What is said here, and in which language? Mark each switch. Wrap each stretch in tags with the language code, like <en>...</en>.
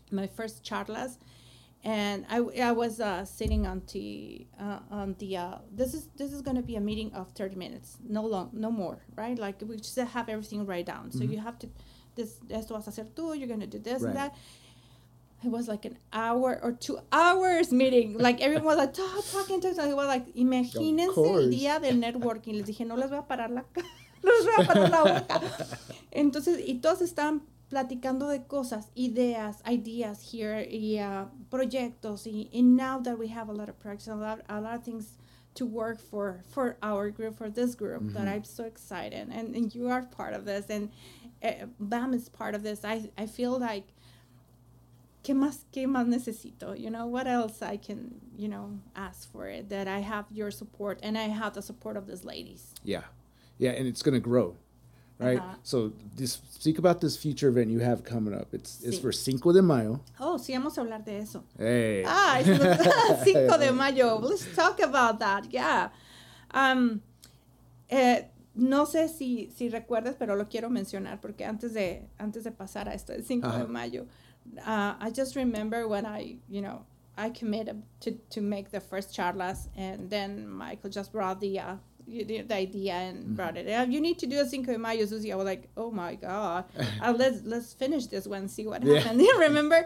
<en>my first charlas, and I was sitting this is going to be a meeting of 30 minutes, no more, right? Like, we just have everything right down, so mm-hmm. you have to, this</en> <es>esto vas a hacer tú,</es> <en>you're going to do this right. and that. It was like an hour or 2 hours meeting. Like everyone was like talking to us. They were like,</en> <es>imagínense el día del networking. Les dije, no les voy a parar la boca. Entonces, y todos estaban platicando de cosas, ideas here, proyectos.</es> <en>And now that we have a lot of projects and a lot of things to work for our group, for this group, mm-hmm. that I'm so excited. And you are part of this. And BAM is part of this. I feel like,</en> <es>¿Qué más necesito?</es> <en>What else I can, ask for it, that I have your support and I have the support of these ladies. Yeah. Yeah. And it's going to grow. Right. Uh-huh. So just speak about this future event you have coming up. It's sí. It's for Cinco de Mayo.</en> <es>Oh, sí, vamos a hablar de eso. Hey.</es> <en>Cinco de Mayo. Let's talk about that. Yeah.</en> <es>No sé si recuerdas, pero lo quiero mencionar porque antes de pasar a esto, el Cinco uh-huh. de Mayo.</es> <en>I just remember when I, I committed to make the first charlas, and then Michael just brought the idea and mm-hmm. brought it. You need to do a Cinco de Mayo, Susie. I was like, oh my God, let's finish this one, see what yeah. happens. You remember?</en>